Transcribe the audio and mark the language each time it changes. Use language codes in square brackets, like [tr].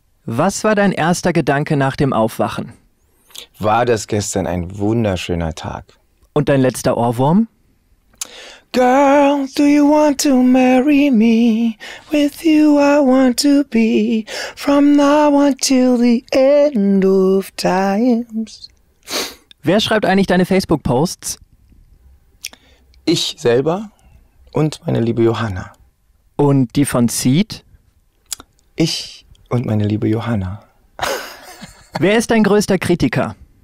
[de] Was war dein erster Gedanke nach dem Aufwachen? War das gestern ein wunderschöner Tag? Und dein letzter Ohrwurm? [en] Girl, do you want to marry me? With you I want to be from now until the end of times. [de] Wer schreibt eigentlich deine Facebook-Posts? Ich selber und meine liebe Johanna. Und die von Seed? Ich und meine liebe Johanna. Wer ist dein größter Kritiker?